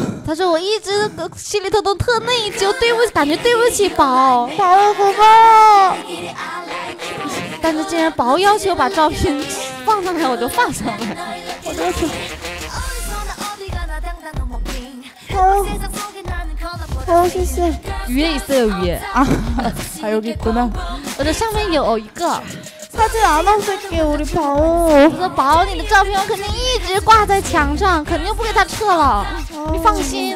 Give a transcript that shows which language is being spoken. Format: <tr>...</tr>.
<zh>他说我一直心里头都特内疚，对不起，感觉对不起宝。宝，宝。但是既然宝要求把照片放上来，我就放上来。我要求。宝，宝，谢谢。鱼也是有鱼啊，还</zh> <ko>여기 있구나.</ko> <zh>我这上面有一个。</zh> <ko>사진 안 없을게 우리 바오. 그래서 바오님의 사진은</ko> <zh>肯定一直挂在墙上，肯定不给他撤了。你放心。</zh>